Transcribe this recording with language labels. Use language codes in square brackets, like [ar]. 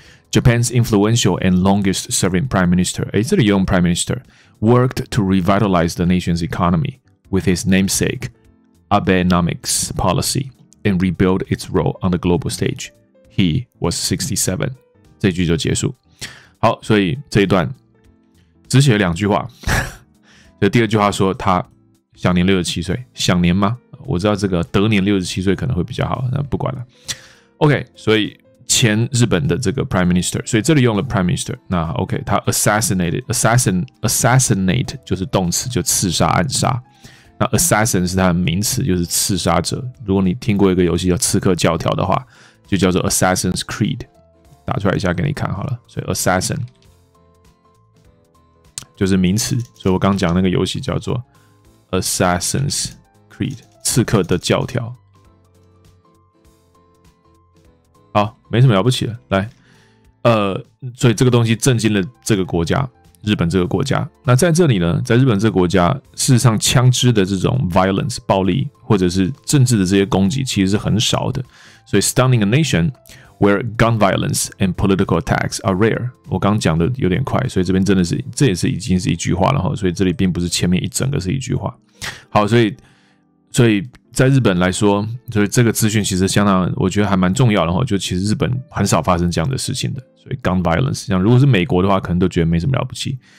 [en] Japan's influential and longest-serving Prime Minister, [zh] 这里用 [en] Prime Minister, worked to revitalize the nation's economy with his namesake. Abenomics policy and rebuild its role on the global stage. He was 67. [zh] 这句就结束。好，所以这一段只写了两句话。就第二句话说他享年67岁。享年吗？我知道这个得年67岁可能会比较好，那不管了。 OK， 所以前日本的这个 Prime Minister， 所以这里用了 Prime Minister。那 OK， 他 assassinate 就是动词，就刺杀、暗杀。那 assassin 是他的名词，就是刺杀者。如果你听过一个游戏叫《刺客教条》的话，就叫做 Assassin's Creed， 打出来一下给你看好了。所以 assassin 就是名词，所以我刚讲那个游戏叫做 Assassin's Creed， 刺客的教条。好，没什么了不起的。来，所以这个东西震惊了这个国家。日本这个国家，那在这里呢，在日本这个国家，事实上枪支的这种 violence 暴力，或者是政治的这些攻击，其实是很少的。 [en] 所以 stunning a nation where gun violence and political attacks are rare。 [zh] 我刚讲的有点快，所以这边真的是这也是已经是一句话了哈。所以这里并不是前面一整个是一句话。好，所以在日本来说，所以这个资讯其实相当，我觉得还蛮重要的哈。就其实日本很少发生这样的事情的。所以 gun violence， 像如果是美国的话，可能都觉得没什么了不起。